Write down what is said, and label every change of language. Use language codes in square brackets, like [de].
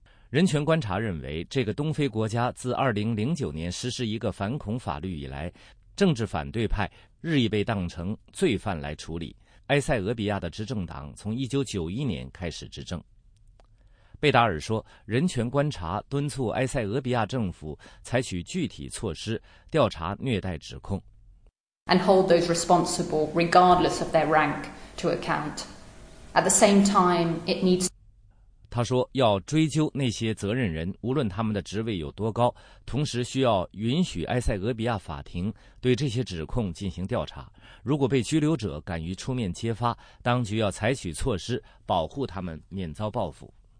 [zh] 人权观察认为，这个东非国家自2009年实施一个反恐法律以来，政治反对派日益被当成罪犯来处理。埃塞俄比亚的执政党从1991年开始执政。贝达尔说，人权观察敦促埃塞俄比亚政府采取具体措施调查虐待指控。 [en] And hold those responsible, regardless of their rank, to account. At the same time, it needs. [zh] 他说，要追究那些责任人，无论他们的职位有多高，同时需要允许埃塞俄比亚法庭对这些指控进行调查。如果被拘留者敢于出面揭发，当局要采取措施保护他们免遭报复。